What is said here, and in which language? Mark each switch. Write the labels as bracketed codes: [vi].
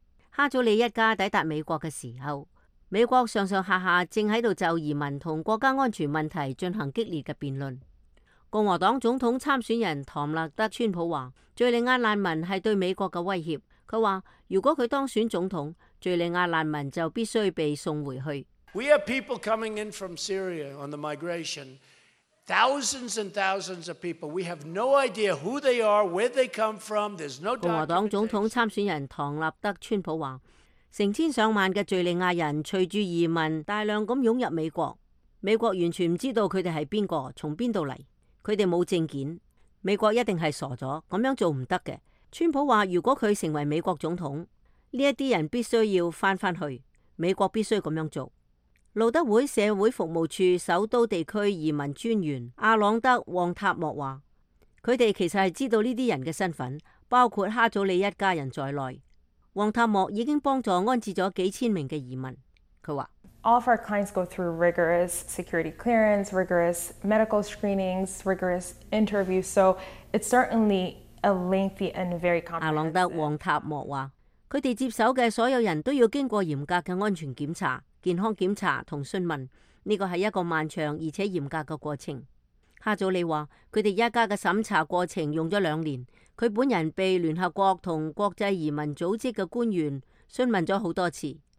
[zh] 哈祖里一家抵达美国的时候，美国上上下下正在就移民和国家安全问题进行激烈的辩论。共和党总统参选人唐纳德川普说，叙利亚难民是对美国的威胁。他说如果他当选总统，叙利亚难民就必须被送回去。 [en] We have people coming in from Syria on the migration. Thousands and thousands of people. We have no idea who they are, where they come from. There's no documentation. [zh] 共和党总统参选人唐纳德川普说，成千上万的叙利亚人随着移民大量地涌入美国，美国完全不知道他们是谁，从哪里来，他们没有证件，美国一定是傻了，这样做不得的。川普说如果他成为美国总统，这些人必须要回去，美国必须这样做。路德会社会服务处首都地区移民专员阿朗德·旺塔莫说，他们其实是知道这些人的身份，包括哈祖里一家人在内。旺塔莫已经帮助安置了几千名的移民。他说 [en] All of our clients go through rigorous security clearance, rigorous medical screenings, rigorous interviews. So it's certainly a lengthy and very comprehensive. [zh] 阿朗德·旺塔莫说，他们接手的所有人都要经过严格的安全检查、健康检查和询问，这个是一个漫长而且严格的过程。哈祖里说，他们一家的审查过程用了两年，他本人被联合国和国际移民组织的官员询问了很多次。